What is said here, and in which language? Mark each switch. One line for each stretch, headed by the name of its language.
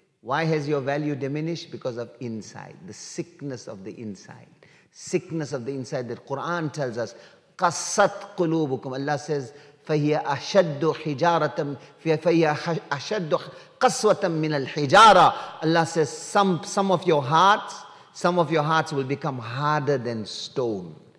English: Why has your value diminished? Because of inside, the sickness of the inside. Sickness of the inside that Quran tells us,
Arabic: قَسَّتْ قُلُوبُكُمْ.
English: Allah says,
Arabic: فَهِيَ أَشَدُّ حِجَارَةً فَهِيَ أَشَدُّ قَسْوَةً مِنَ الْحِجَارَةً.
English: Allah says, some of your hearts will become harder than stone.